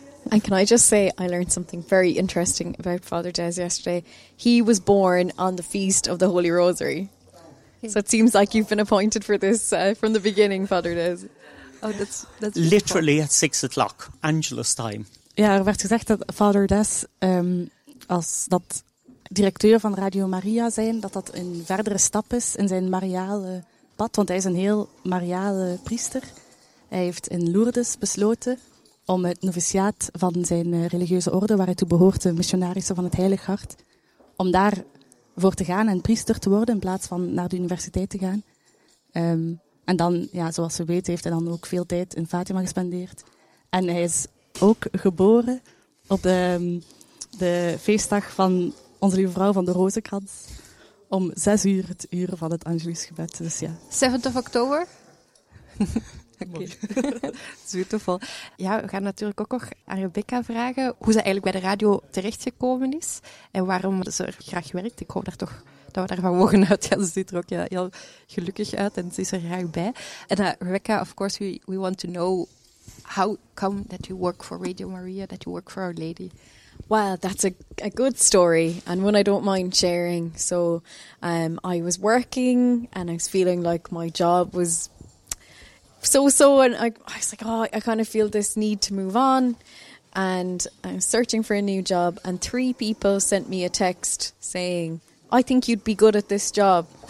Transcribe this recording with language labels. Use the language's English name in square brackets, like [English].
[English] And can I just say, I learned something very interesting about Father Des yesterday. He was born on the Feast of the Holy Rosary. So it seems like you've been appointed for this from the beginning, Father Des. Oh, that's literally at 6 o'clock, Angelus time. [Dutch] Ja, er werd gezegd dat Father Des, als dat directeur van Radio Maria zijn, dat dat een verdere stap is in zijn mariale pad, want hij is een heel mariale priester. Hij heeft in Lourdes besloten om het noviciaat van zijn religieuze orde, waar hij toe behoort, de missionarissen van het Heilig Hart, om daar voor te gaan en priester te worden in plaats van naar de universiteit te gaan. En dan, ja, zoals we weten, heeft hij dan ook veel tijd in Fatima gespendeerd. En hij is ook geboren op de feestdag van Onze Lieve Vrouw van de Rozenkrans om 6 uur, het uur van het Angelus gebed. Dus ja. 7 oktober? [English] Oké, okay. Beautiful. [Dutch] Ja, we gaan natuurlijk ook nog aan Rebecca vragen hoe ze eigenlijk bij de radio terechtgekomen is en waarom ze er graag werkt. Ik hoop daar toch dat we daar vanmorgen uit gaan. Ze ziet er ook heel gelukkig uit en ze is er graag bij. [English] En Rebecca, of course, we want to know how come that you work for Radio Maria, that you work for Our Lady. Well, that's a good story and one I don't mind sharing. So I was working and I was feeling like my job was so-so, and I was like, oh, I kind of feel this need to move on, and I'm searching for a new job, and 3 people sent me a text saying, I think you'd be good at this job.